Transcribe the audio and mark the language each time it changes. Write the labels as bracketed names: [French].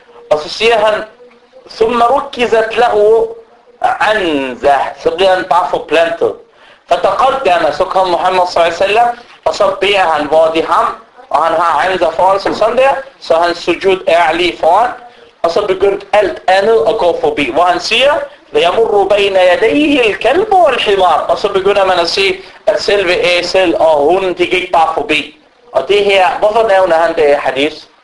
[Danish] Og så siger han, [Arabic] ثم ركزت له عنزة. [Danish] Så bliver han bare forplantet. [Arabic] فتقدم. [Danish] Så kom Muhammad [Arabic] صلى الله عليه وسلم, [Danish] og så beder han, hvor det er ham, og han har عنزة foran sig sådan der, så han sujud er lige foran, og så begyndte alt andet at gå forbi. Hvor han siger, [Arabic] وَيَمُرُّ بَيْنَ يَدَيْهِ الْكَلْبُ وَالْحِمَارِ. [Danish] Og så begynder man at sige, at selve æsel og hunden, de gik bare forbi. Og det her, hvorfor nævner han det hadith?